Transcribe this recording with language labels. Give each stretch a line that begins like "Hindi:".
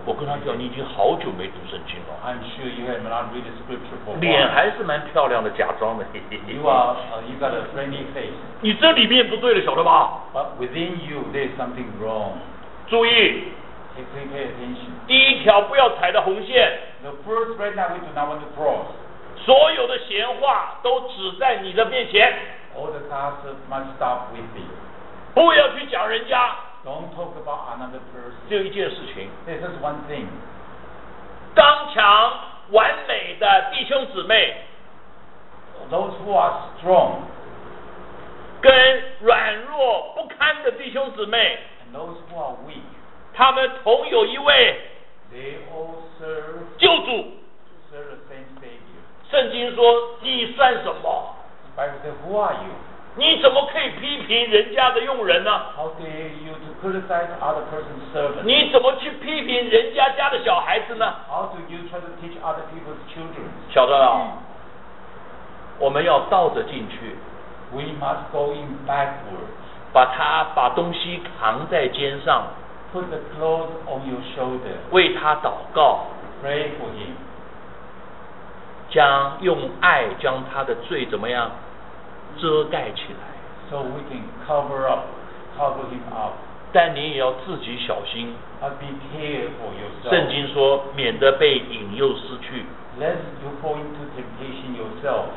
Chinese: 我跟他讲，你已经好久没读圣经了。
English: I'm sure you have not read the scripture for.
Chinese: 脸还是蛮漂亮的，假装的。
English: You got a friendly face.
Chinese: 你这里面不对了，晓得吧？
English: But within you, there's something wrong.
Chinese: 注意。
English: Please pay attention.
Chinese: 第一条不要踩的红线。
English: The first red line we do not want to cross.
Chinese: 所有的闲话都只在你的面前。
English: All the gossip must stop with me.
Chinese: 不要去讲人家。
English: Don't talk about another person.
Chinese: 只有一件事情。
English: This is one thing.
Chinese: 刚强完美的弟兄姊妹。
English: Those who are strong.
Chinese: 跟软弱不堪的弟兄姊妹。
English: And those who are weak.
Chinese: 他们同有一位。
English: They all serve.
Chinese: 救主。
English: Serve the same Savior.
Chinese: 圣经说你算什么？
English: Bible says, who are you?
Chinese: 你怎么可以批评人家的用人呢？
English: How dare you to criticize other person's servant?
Chinese: 你怎么去批评人家家的小孩子呢？
English: How do you try to teach other people's children?
Chinese: 晓得了，我们要倒着进去。
English: We must go in backwards.
Chinese: 把东西扛在肩上。
English: Put the clothes on your shoulder.
Chinese: 为他祷告。
English: Pray for him.
Chinese: 将用爱将他的罪怎么样？遮盖起来。
English: So we can cover him up.
Chinese: 但你也要自己小心。
English: But be careful yourself.
Chinese: 圣经说，免得被引诱失去。
English: Lest you fall into temptation yourself.